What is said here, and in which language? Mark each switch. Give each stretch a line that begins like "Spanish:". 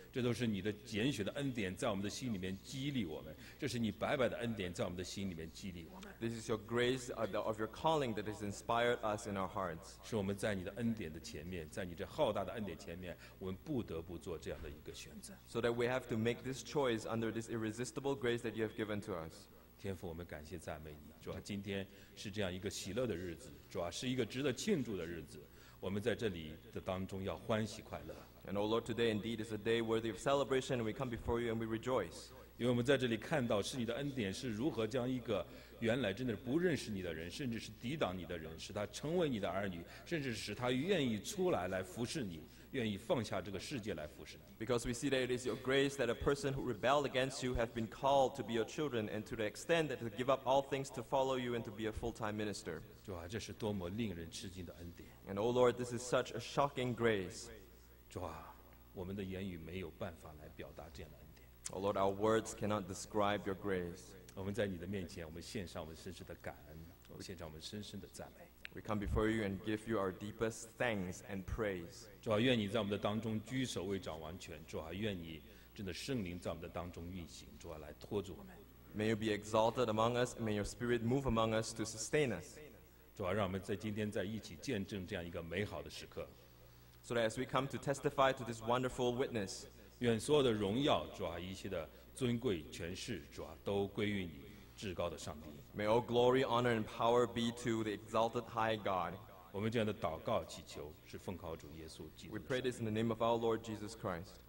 Chinese: 这都是你的拣选的恩典在我们的心里面激励我们，这是你白白的恩典在我们的心里面激励我们。
English: This is your grace of your calling that has inspired us in our hearts.
Chinese: 是我们在你的恩典的前面，在你这浩大的恩典前面，我们不得不做这样的一个选择。
English: So that we have to make this choice under this irresistible grace that you have given to us.
Chinese: 天父，我们感谢赞美你，主啊，今天是这样一个喜乐的日子，主啊，是一个值得庆祝的日子。我们在这里的当中要欢喜快乐。
English: And O Lord, today indeed is a day worthy of celebration, and we come before you and we rejoice.
Chinese: 因为我们在这里看到是你的恩典是如何将一个原来真的不认识你的人，甚至是抵挡你的人，使他成为你的儿女，甚至使他愿意出来来服侍你，愿意放下这个世界来服侍你。
English: Because we see that it is your grace that a person who rebelled against you have been called to be your children, and to the extent that to give up all things to follow you and to be a full-time minister.
Chinese: 主啊，这是多么令人吃惊的恩典。
English: And O Lord, this is such a shocking grace.
Chinese: 主啊，我们的言语没有办法来表达这样的恩典。
English: O Lord, our words cannot describe your grace.
Chinese: 我们在你的面前，我们献上我们深深的感恩，我们献上我们深深的赞美。
English: We come before you and give you our deepest thanks and praise.
Chinese: 主啊，愿你在我们的当中居首位掌王权。主啊，愿你真的圣灵在我们的当中运行。主啊，来托住我们。
English: May you be exalted among us. May your spirit move among us to sustain us.
Chinese: 主啊，让我们在今天在一起见证这样一个美好的时刻。
English: So that as we come to testify to this wonderful witness.
Chinese: 愿所有的荣耀，主啊，一切的尊贵权势，主啊，都归于你。至高的上帝。
English: May all glory, honor, and power be to the exalted high God.
Chinese: 我们这样的祷告祈求是奉靠主耶稣基督的。
English: We pray this in the name of our Lord Jesus Christ.